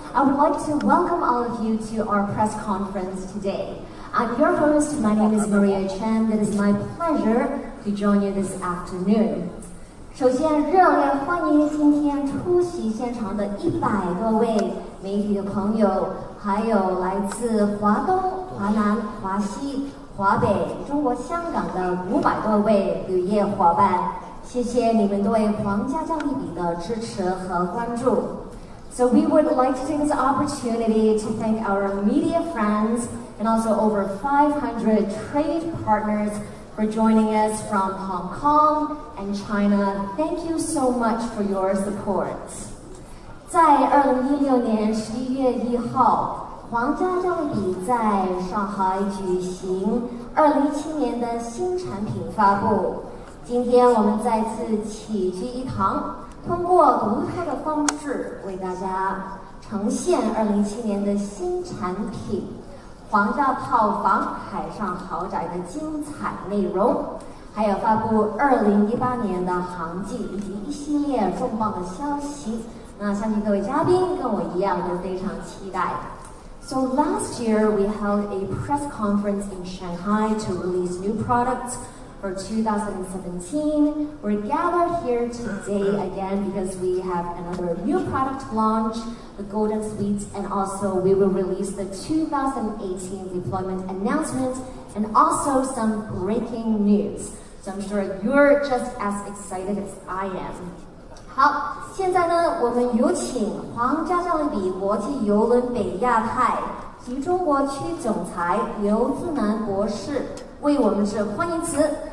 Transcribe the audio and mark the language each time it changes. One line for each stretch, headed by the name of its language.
English: I would like to welcome all of you to our press conference today. I'm your host, my name is Maria Chen. It is my pleasure to join you this afternoon.
Chinese: 首先热烈欢迎今天出席现场的100多位媒体的朋友，还有来自华东、华南、华西、华北、中国香港的500多位旅业伙伴，谢谢你们对皇家加勒比的支持和关注。
English: So we would like to take this opportunity to thank our media friends and also over 500 trade partners for joining us from Hong Kong and China. Thank you so much for your support.
Chinese: 在2016年11月1号，皇家加勒比在上海举行2017年的新产品发布。今天我们再次齐聚一堂，通过独特的方式为大家呈现2017年的新产品皇家套房海上豪宅的精彩内容，还有发布2018年的航迹以及一系列重磅的消息。那相信各位嘉宾跟我一样都非常期待。
English: So last year we held a press conference in Shanghai to release new products for 2017. We're gathered here today again because we have another new product launch, the Golden Suites, and also we will release the 2018 deployment announcement and also some breaking news. So I'm sure you're just as excited as I am.
Chinese: 好，现在呢，我们有请皇家加勒比国际邮轮北亚太及中国区总裁刘自南博士为我们致欢迎词。